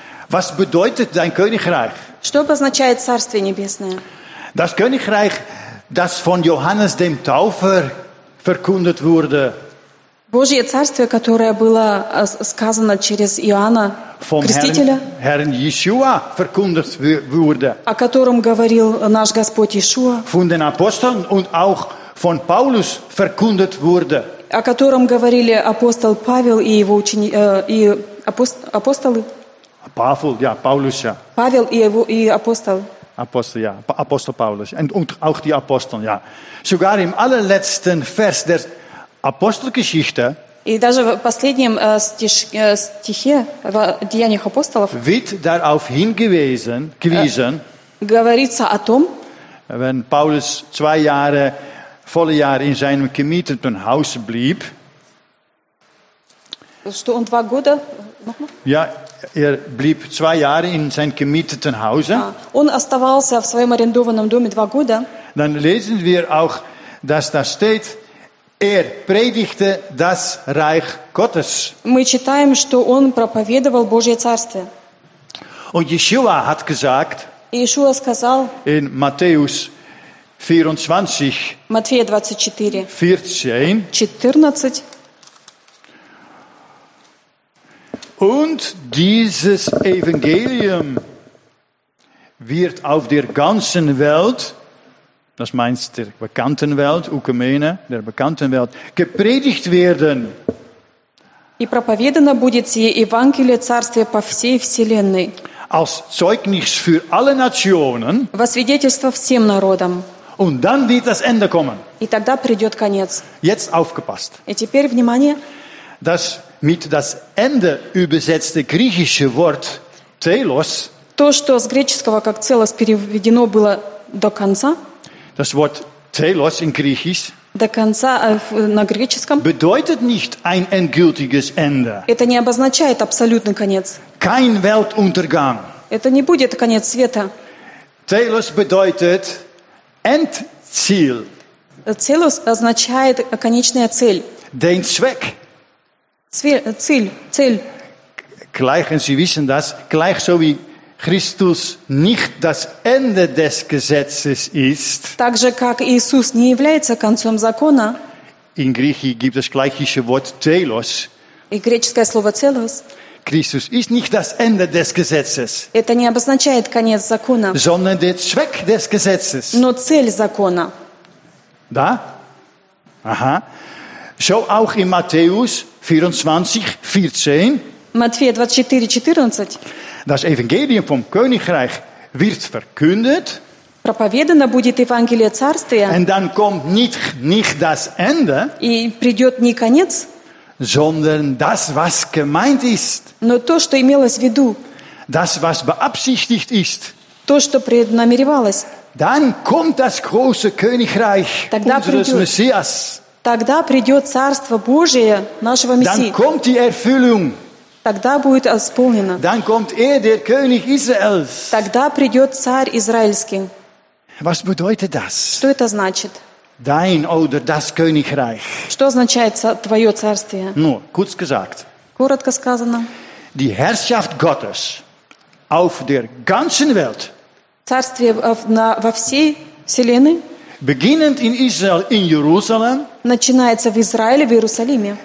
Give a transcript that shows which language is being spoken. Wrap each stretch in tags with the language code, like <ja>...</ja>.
<de>Was bedeutet dein Königreich?</de> <ru>Что обозначает Царствие Небесное?</ru> <de>Das Königreich, das von Johannes dem Täufer verkündet wurde.</de> <ru>Божье Царствие, которое было сказано через Иоанна Крестителя,</ru> <de>Herrn Иешуа verkündet wurde,</de> <ru>о котором говорил наш Господь Иешуа,</ru> <de>von den Aposteln und auch von Paulus verkündet wurde,</de> <ru>о котором говорили апостол Павел и его ученики, апостолы. Павел, ja, Paulus, ja. Павел и его и апостол.</ru> <de>Apostel, ja. Apostel Paulus. Und auch die Aposteln, ja. Sogar im allerletzten Vers der Apostelgeschichte.</de> <ru>И даже в последнем стихе в Деяниях апостолов</ru> <de>wird darauf hingewiesen,</de> <ru>говорится о том,</ru> <de>wenn Paulus zwei Jahre, volle Jahre in seinem gemieteten Haus blieb,</de> <ru>что он два года,</ru> <de>ja, er blieb zwei Jahre in seinem gemieteten Hause,</de> <ru>он оставался в своем арендованном доме два года,</ru> <de>dann lesen wir auch, dass da steht, er predigte das Reich Gottes.</de> <ru>Мы читаем, что он проповедовал Божье Царствие.</ru> <de>Und Yeshua hat gesagt,</de> <ru>Иешуа сказал,</ru> <de>in Matthäus 24,</de> <ru>Матфея 24,</ru> <de>14,</de> <ru>14,</ru> <de>und dieses Evangelium wird auf der ganzen Welt, das meinst der bekannten Welt, Ökumene, der bekannten Welt, gepredigt werden.</de> <ru>И проповедано будет сие Евангелие Царствия по всей вселенной.</ru> <de>Als Zeugnis für alle Nationen.</de> <ru>Во свидетельство всем народам.</ru> <de>Und dann wird das Ende kommen.</de> <ru>И тогда придет конец.</ru> <de>Jetzt aufgepasst.</de> <ru>И теперь внимание.</ru> <de>Das mit das Ende übersetzte griechische Wort Telos.</de> <ru>То, что с греческого как целос переведено было до конца.</ru> <de>Das Wort Telos in Griechisch</de> <ru>до конца, на греческом,</ru> <de>bedeutet nicht ein endgültiges Ende.</de> <ru>Это не обозначает абсолютный конец.</ru> <de>Kein Weltuntergang.</de> <ru>Это не будет конец света.</ru> <de>Telos bedeutet Endziel.</de> <ru>Telos означает конечная цель.</ru> <de>Den Zweck.</de> <ru>Цель.</ru> <de>Gleich, und Sie wissen das, gleich so wie Christus nicht das Ende des Gesetzes ist.</de> <ru>Так же, как Иисус не является концом закона.</ru> <de>In Griechisch gibt es gleiche Wort Telos.</de> <ru>И греческое слово Телос.</ru> <de>Christus ist nicht das Ende des Gesetzes.</de> <ru>Это не обозначает конец закона.</ru> <de>Sondern der Zweck des Gesetzes.</de> <ru>Но цель закона.</ru> <de>Да? Aha. So auch in Matthäus 24, 14.</de> <ru>Матфея 24, 14.</ru> <de>Das Evangelium vom Königreich wird verkündet.</de> <ru>Проповедано будет Евангелие Царствия.</ru> <de>Und dann kommt nicht das Ende.</de> <ru>И придет не конец.</ru> <de>Sondern das, was gemeint ist.</de> <ru>Но то, что имелось в виду.</ru> <de>Das, was beabsichtigt ist.</de> <ru>То, что преднамеревалось.</ru> <de>Dann kommt das große Königreich unseres Messias.</de> <ru>Тогда придет Царство Божие нашего Мессии.</ru> <de>Dann kommt die Erfüllung.</de> <ru>Тогда будет исполнено.</ru> <de>Dann kommt er, der König Israels.</de> <ru>Тогда придет царь израильский.</ru> <de>Was bedeutet das?</de> <ru>Что это значит?</ru> <de>Dein oder das Königreich.</de> <ru>Что означает твое царствие?</ru> <de>Ну, kurz gesagt.</de> <ru>Коротко сказано.</ru> <de>Die Herrschaft Gottes auf der ganzen Welt.</de> <ru>Царствие во всей вселенной.</ru> <de>Beginnend in Israel in Jerusalem.</de> <ru>Начинается в Израиле, в Иерусалиме.</ru>